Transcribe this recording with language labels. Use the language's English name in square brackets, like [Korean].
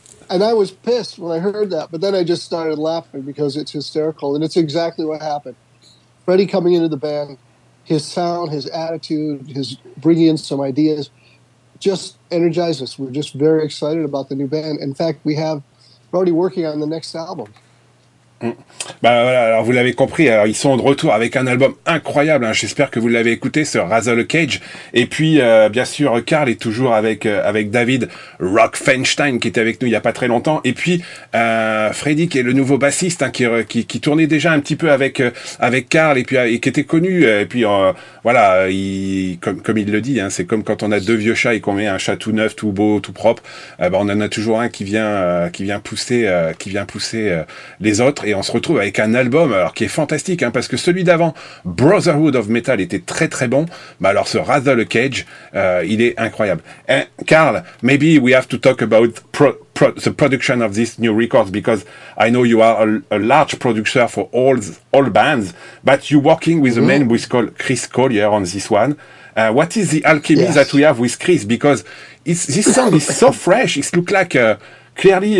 [English] And I was pissed when I heard that. But then I just started laughing because it's hysterical. And it's exactly what happened. Freddie coming into the band, his sound, his attitude, his bringing in some ideas just energized us. We're just very excited about the new band. In fact, we're already working on the next album. [French] Bah voilà, alors vous l'avez compris, alors ils sont de retour avec un album incroyable, hein, j'espère que vous l'avez écouté, ce Razzle Cage. Et puis bien sûr Karl est toujours avec avec David Rockfenstein qui était avec nous il y a pas très longtemps, et puis Freddy qui est le nouveau bassiste, hein, qui tournait déjà un petit peu avec avec Karl, et puis et qui était connu, et puis voilà, comme il le dit, hein, c'est comme quand on a deux vieux chats et qu'on met un chat tout neuf, tout beau, tout propre, bah on en a toujours un qui vient pousser les autres. Et on se retrouve avec un album alors qui est fantastique, hein, parce que celui d'avant, Brotherhood of Metal, était très très bon, mais alors ce Razzle Cage, il est incroyable. [English] And Karl, maybe we have to talk about the production of this new record, because I know you are a large producer for all bands, but you're working with a man who is called Chris Collier on this one. What is the alchemy that we have with Chris? Because this song is so fresh, it looks like clearly...